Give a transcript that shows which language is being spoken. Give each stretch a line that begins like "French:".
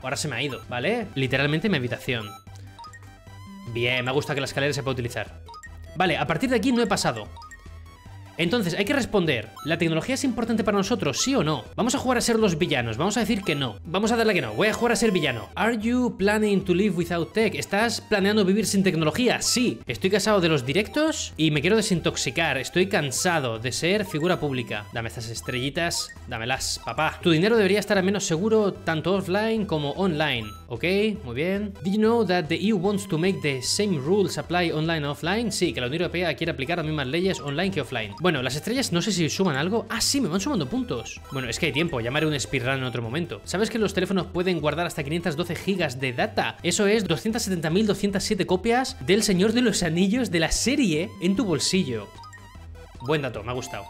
Spanish: Ahora se me ha ido, ¿vale? Literalmente mi habitación. Bien, me gusta que la escalera se pueda utilizar. Vale, a partir de aquí no he pasado. Entonces, hay que responder. ¿La tecnología es importante para nosotros, sí o no? Vamos a jugar a ser los villanos. Vamos a decir que no. Vamos a darle que no. Voy a jugar a ser villano.
English: Are you planning to live without tech?
Spanish: ¿Estás planeando vivir sin tecnología? Sí. Estoy cansado de los directos y me quiero desintoxicar. Estoy cansado de ser figura pública. Dame estas estrellitas. Dámelas, papá. Tu dinero debería estar al menos seguro tanto offline como online. Ok, muy bien.
English: Did you know that the EU wants to make the same rules apply online and offline?
Spanish: Sí, que la Unión Europea quiere aplicar las mismas leyes online que offline. Bueno, las estrellas no sé si suman algo. Ah, sí, me van sumando puntos. Bueno, es que hay tiempo, llamaré un speedrun en otro momento. ¿Sabes que los teléfonos pueden guardar hasta 512 gigas de data? Eso es 270.207 copias del Señor de los Anillos de la serie en tu bolsillo. Buen dato, me ha gustado.